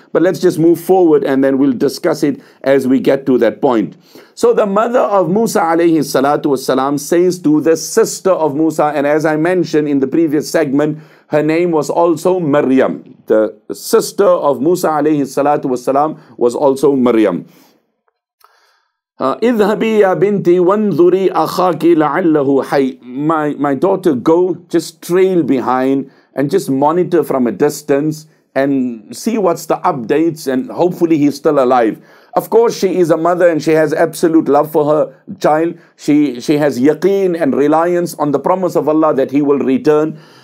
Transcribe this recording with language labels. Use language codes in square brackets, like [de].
[en] But let's just move forward and then we'll discuss it as we get to that point. So the mother of Musa alayhi salatu wasalam says to the sister of Musa, and as I mentioned in the previous segment, her name was also Maryam. The sister of Musa alayhi salatu wasalam was also Maryam. [ar] اذهبي يا بنتي وانظري أخاك لعله حي. [en] My daughter, go, just trail behind and just monitor from a distance and see what's the updates, and hopefully he's still alive. Of course, she is a mother and she has absolute love for her child. She has yaqeen and reliance on the promise of Allah that he will return.